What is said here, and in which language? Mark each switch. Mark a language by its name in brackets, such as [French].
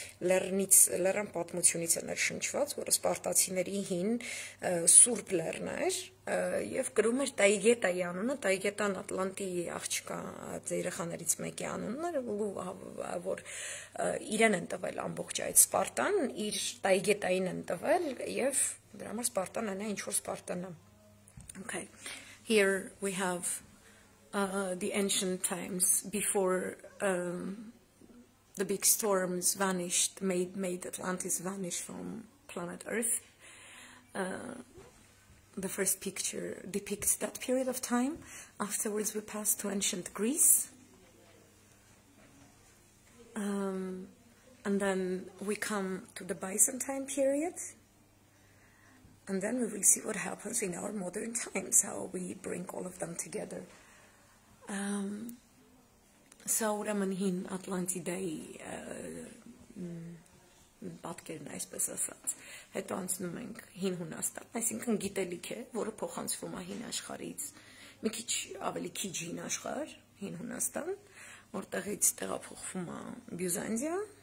[Armenian] լեռնից, լեռան պատմությունից է ներշնչված, որը սպարտացիների հին սուրբ լեռն էր, եւ գրում էր Տայգետայի անունը, Տայգետան Ատլանտի աղջկա երեխաներից մեկի անունն էր, որ իրեն են տվել ամբողջ այդ Սպարտան, իր Տայգետային են տվել, եւ դրա համար Սպարտան անունը ինչ որ Սպարտան է։ Okay. [English] Here we have the ancient times before the big storms vanished, made Atlantis vanish from planet Earth. The first picture depicts that period of time. Afterwards, we pass to ancient Greece. And then we come to the Byzantine period. And then we will see what happens in our modern times, how we bring all of them together. [Armenian] Սա ուրեմն հին Ատլանտիդայի պատկերն այսպես ասած, հետո անցնում ենք հին Հունաստան, այսինքն գիտելիք է, որը փոխանցվում է հին աշխարից, մի քիչ ավելի քիչ հին աշխար, հին Հունաստան, որտեղից տեղափոխվում է Բյուզանդիա,